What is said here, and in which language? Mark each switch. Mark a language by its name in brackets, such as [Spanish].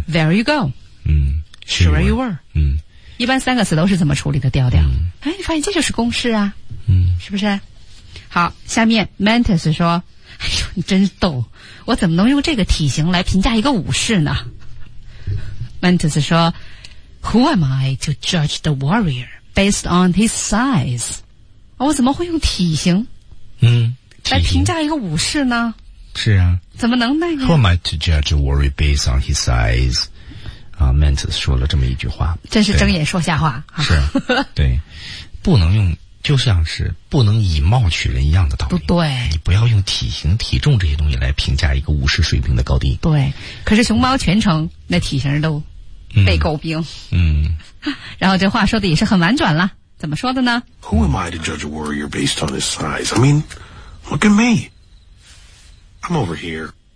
[English] there you go，嗯 sure you were，嗯， [Chinese] 一般三个词都是怎么处理的调调、嗯、哎，你发现这就是公式啊，嗯，是不是。好，下面 Mantis 说，哎呦，你真逗，我怎么能用这个体型来评价一个武士呢？ [English] Mantis 说 Who am I to judge the warrior based on his size？ [Chinese] 我怎么会用体型来评价一个武士呢？是啊，怎么能那样？ [English] Who am I to judge a warrior based on his size？ Mantis [Chinese] 说了这么一句话，真是睁眼说瞎话。是，对，不能用，就像是不能以貌取人一样的道理。对，你不要用体型体重这些东西来评价一个武士水平的高低。对，可是熊猫全程、嗯、那体型都被诟病。嗯，嗯，然后这话说的也是很婉转了，怎么说的呢？ [English] Who am I to judge a warrior based on his size? I mean, look at me, I'm over here。